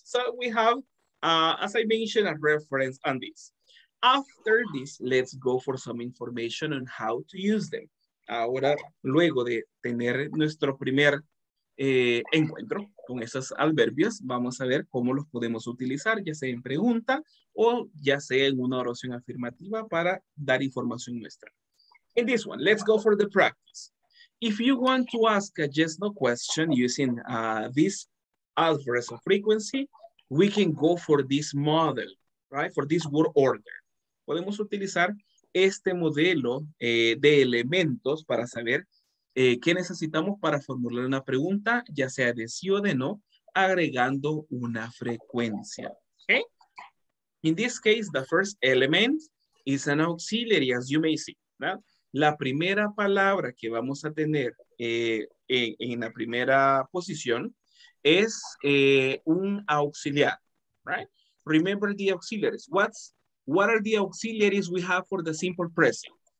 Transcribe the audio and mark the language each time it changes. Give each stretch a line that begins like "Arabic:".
English: So we have, as I mentioned, a reference on this. After this, let's go for some information on how to use them.
Spanish: Ahora, luego de tener nuestro primer encuentro con esos adverbios, vamos a ver cómo los podemos utilizar, ya sea en pregunta o ya sea en una oración afirmativa para dar información nuestra.
English: In this one, let's go for the practice. If you want to ask a yes no question using this adverbs of frequency, we can go for this model, right? For this word order.
Spanish: Podemos utilizar este modelo de elementos para saber ¿qué necesitamos para formular una pregunta, ya sea de sí o de no, agregando una frecuencia?
English: Okay? In this case, the first element is an auxiliary, as you may see.
Spanish: ¿Verdad? La primera palabra que vamos a tener en la primera posición es un auxiliar.
English: Right? Remember the auxiliaries. What are the auxiliaries we have for the simple present?